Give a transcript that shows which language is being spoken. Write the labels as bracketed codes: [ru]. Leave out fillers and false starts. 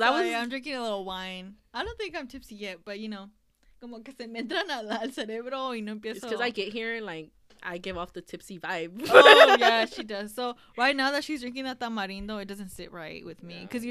[en] I'm drinking a little wine. I don't think I'm tipsy yet, but, you know, [es] como que se me entran al cerebro y no empiezo. [en] It's because I get here and like I give off the tipsy vibe. Oh yeah, she does. So right now that she's drinking that tamarindo, it doesn't sit right with me because yeah.